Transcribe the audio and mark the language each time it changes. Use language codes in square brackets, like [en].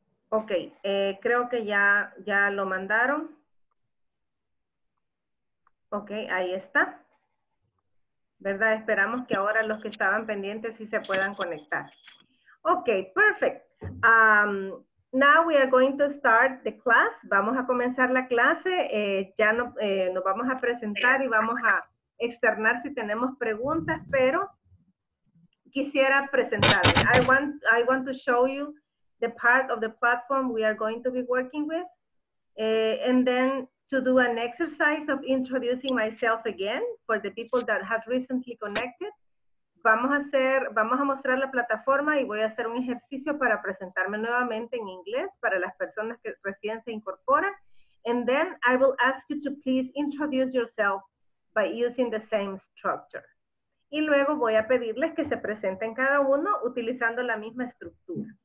[es] Ok, creo que ya lo mandaron. Ok, ahí está. ¿Verdad? Esperamos que ahora los que estaban pendientes sí se puedan conectar. [en] Ok, perfect. Now we are going to start the class. [es] Vamos a comenzar la clase. Nos vamos a presentar y vamos a externar si tenemos preguntas, pero quisiera presentar. [en] I want to show you the part of the platform we are going to be working with. And then to do an exercise of introducing myself again for the people that have recently connected. [es] Vamos a mostrar la plataforma y voy a hacer un ejercicio para presentarme nuevamente en inglés para las personas que recién se incorporan. [en] And then I will ask you to please introduce yourself by using the same structure. [es] Y luego voy a pedirles que se presenten cada uno utilizando la misma estructura.